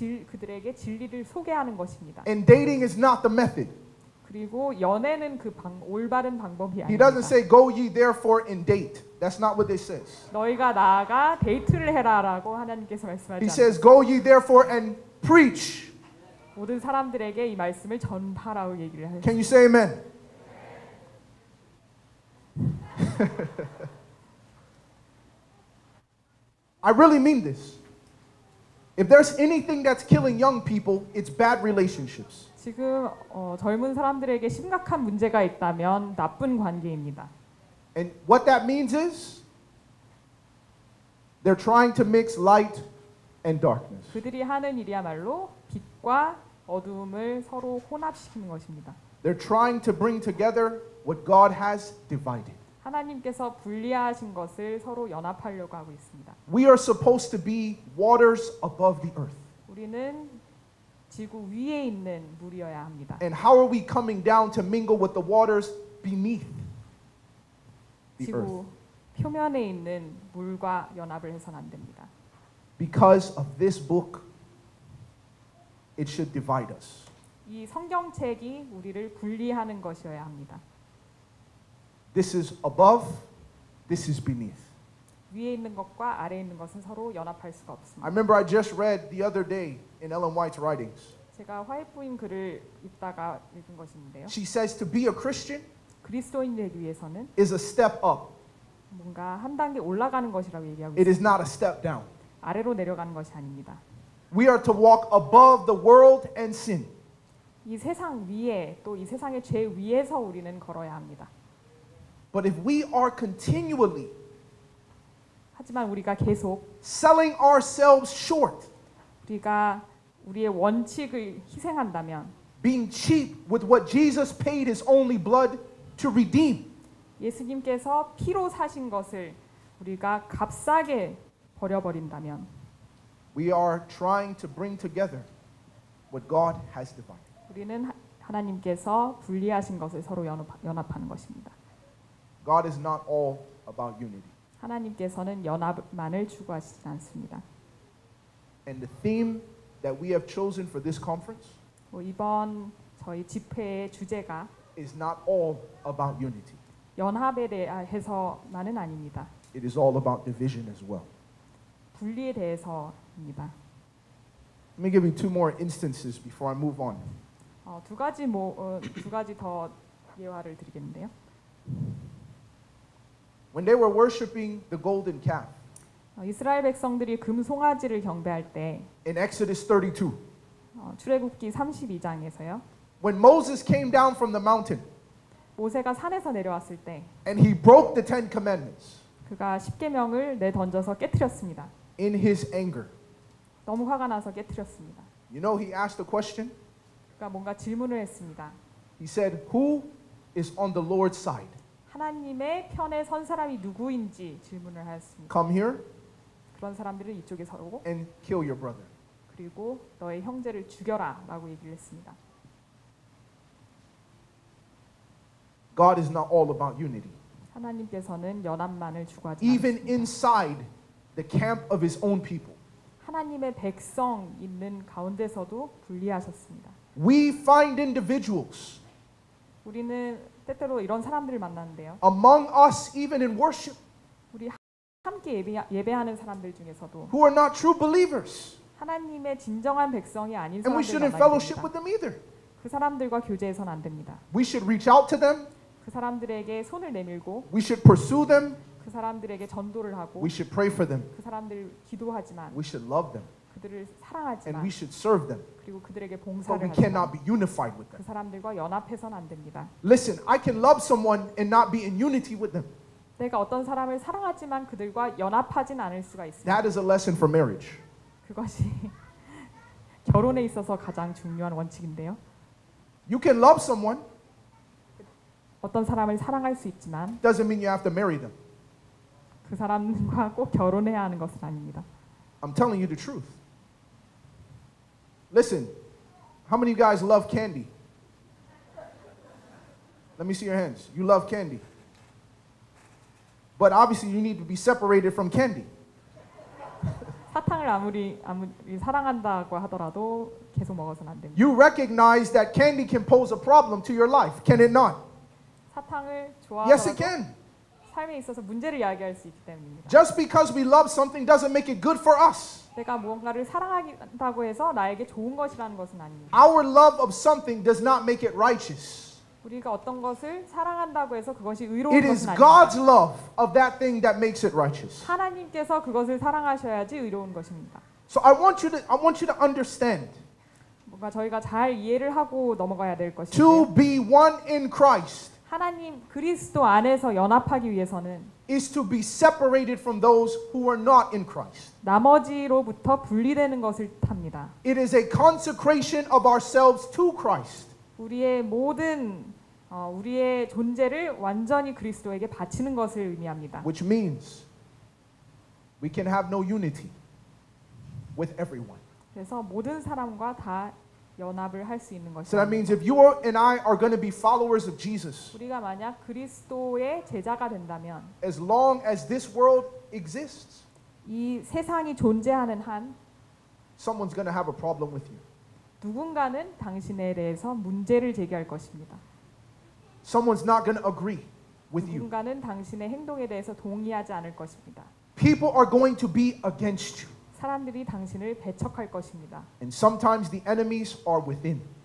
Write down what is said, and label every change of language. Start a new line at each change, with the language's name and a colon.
Korean: 그들에게 진리를 소개하는 것입니다.
English: And dating is not the method.
Korean: 그리고 연애는 올바른 방법이 아니다.
English: He doesn't say go ye therefore and date. That's not what this says.
Korean: 너희가 나아가 데이트를 해라라고 하나님께서 말씀하지 않습니다.
English: He says go ye therefore and preach.
Korean: 모든 사람들에게 이 말씀을 전파라고 얘기를 하십니다.
English: Can you say amen? I really mean this. If there's anything that's killing young people, it's bad relationships.
Korean: 지금 젊은 사람들에게 심각한 문제가 있다면 나쁜 관계입니다.
English: And what that means is they're trying to mix light and darkness.
Korean: 그들이 하는 일이야말로 빛과 어둠을 서로 혼합시키는 것입니다.
English: They're trying to bring together what God has divided.
Korean: 하나님께서 분리하신 것을 서로 연합하려고 하고 있습니다.
English: We are supposed to be waters above the earth.
Korean: 우리는 지구 위에 있는 물이어야 합니다.
English: And how are we coming down to mingle with the waters beneath the
Korean: 지구
English: earth?
Korean: 표면에 있는 물과 연합을 해서는 안 됩니다.
English: Because of this book, it should divide us.
Korean: 이 성경책이 우리를 분리하는 것이어야 합니다.
English: This is above, this is beneath.
Korean: 위에 있는 것과 아래에 있는 것은 서로 연합할 수가 없습니다.
English: I remember I just read the other day in Ellen White's writings.
Korean: 제가 화이트 부인 글을 읽다가 읽은 것인데요.
English: She says to be a Christian
Korean: 그리스도인 되기 위해서는
English: is a step up.
Korean: 뭔가 한 단계 올라가는 것이라고 얘기하고 있습니다.
English: It is not a step down.
Korean: 아래로 내려가는 것이 아닙니다.
English: We are to walk above the world and sin.
Korean: 이 세상 위에 또 이 세상의 죄 위에서 우리는 걸어야 합니다.
English: But if we are continually
Korean: 하지만 우리가 계속
English: selling ourselves short
Korean: 우리가 우리의 원칙을 희생한다면
English: being cheap with what Jesus paid his only blood to redeem
Korean: 예수님께서 피로 사신 것을 우리가 값싸게 버려버린다면
English: we are trying to bring together what God has divided
Korean: 우리는 하나님께서 분리하신 것을 서로 연합하는 것입니다.
English: God is not all about unity.
Korean: 하나님께서는 연합만을 추구하시지 않습니다.
English: And the theme that we have chosen for this conference
Korean: 이번 저희 집회의 주제가
English: is not all about unity.
Korean: 연합에 대해서만은 아닙니다.
English: It is all about division as well.
Korean: 분리에 대해서입니다.
English: Let me give you two more instances before I move on.
Korean: 두 가지 더 예화를 드리겠는데요.
English: When they were worshiping the golden calf,
Korean: 이스라엘 백성들이 금송아지를 경배할 때
English: In Exodus 32.
Korean: 출애굽기 32장에서요.
English: When Moses came down from the mountain.
Korean: 모세가 산에서 내려왔을 때
English: And he broke the Ten Commandments.
Korean: 그가 십계명을 내던져서 깨뜨렸습니다.
English: In his anger.
Korean: 너무 화가 나서 깨뜨렸습니다.
English: You know he asked a question?
Korean: 그가 뭔가 질문을 했습니다.
English: He said, "Who is on the Lord's side?"
Korean: 하나님의 편에 선 사람이 누구인지 질문을 하였습니다.
English: Come here.
Korean: 그런 사람들을 이쪽에 서고
English: And kill your brother.
Korean: 그리고 너의 형제를 죽여라라고 얘기를 했습니다.
English: God is not all about unity.
Korean: 하나님께서는 연합만을 추구하지
English: Even inside the camp of his own people.
Korean: 하나님의 백성 있는 가운데서도 분리하셨습니다.
English: We find individuals.
Korean: 우리는 때때로 이런 사람들을 만나는데요.
English: Among us even in worship.
Korean: 우리 함께 예배하는 사람들 중에서도
English: who are not true believers.
Korean: 하나님의 진정한 백성이 아닌 사람들.
English: And we shouldn't fellowship with them either.
Korean: 그 사람들과 교제해서는 안 됩니다.
English: We should reach out to them.
Korean: 그 사람들에게 손을 내밀고
English: We should pursue them.
Korean: 그 사람들에게 전도를 하고
English: We should pray for them.
Korean: 그 사람들을 기도하지만
English: We should love them.
Korean: 그들을 사랑하지만
English: And we should serve them.
Korean: 그리고 그들에게 봉사를
English: But we cannot be unified with them.
Korean: 그 사람들과 연합해서는 안 됩니다.
English: Listen, I can love someone and not be in unity with them.
Korean: 내가 어떤 사람을 사랑하지만 그들과 연합하진 않을 수가 있습니다.
English: That is a lesson for marriage.
Korean: 그것이 결혼에 있어서 가장 중요한 원칙인데요.
English: You can love someone.
Korean: 어떤 사람을 사랑할 수 있지만
English: doesn't mean you have to marry them.
Korean: 그 사람과 꼭 결혼해야 하는 것은 아닙니다.
English: I'm telling you the truth. Listen, how many of you guys love candy? Let me see your hands. You love candy. But obviously you need to be separated from candy.
Korean: 사탕을 아무리 사랑한다고 하더라도 계속 먹어서는 안 됩니다.
English: You recognize that candy can pose a problem to your life, can it not?
Korean: 사탕을 좋아하고
English: Yes, it can.
Korean: 삶에 있어서 문제를 이야기할 수 있기 때문입니다.
English: Just because we love something doesn't make it good for us.
Korean: 내가 무언가를 사랑한다고 해서 나에게 좋은 것이라는 것은 아닙니다.
English: Our love of something does not make it righteous.
Korean: 우리가 어떤 것을 사랑한다고 해서 그것이 의로운
English: it
Korean: 것은 아닙니다.
English: It is God's love of that thing that makes it righteous.
Korean: 하나님께서 그것을 사랑하셔야지 의로운 것입니다.
English: So I want you to understand.
Korean: 뭔가 저희가 잘 이해를 하고 넘어가야 될 것인데.
English: To be one in Christ.
Korean: 하나님 그리스도 안에서 연합하기 위해서는
English: is to be separated from those who are not in Christ.
Korean: 나머지로부터 분리되는 것을 뜻합니다.
English: It is a consecration of ourselves to Christ.
Korean: 우리의 모든 우리의 존재를 완전히 그리스도에게 바치는 것을 의미합니다.
English: Which means we can have no unity with everyone.
Korean: 그래서 모든 사람과 다 연합을 할 수 있는 것이.
English: So that means if you are and I are going to be followers of Jesus.
Korean: 우리가 만약 그리스도의 제자가 된다면
English: as long as this world exists.
Korean: 이 세상이 존재하는 한
English: someone's going to have a problem with you.
Korean: 누군가는 당신에 대해서 문제를 제기할 것입니다.
English: Someone's not going to agree with you.
Korean: 누군가는 당신의 행동에 대해서 동의하지 않을 것입니다.
English: People are going to be against you.
Korean: 사람들이 당신을 배척할 것입니다.
English: And sometimes the enemies are within.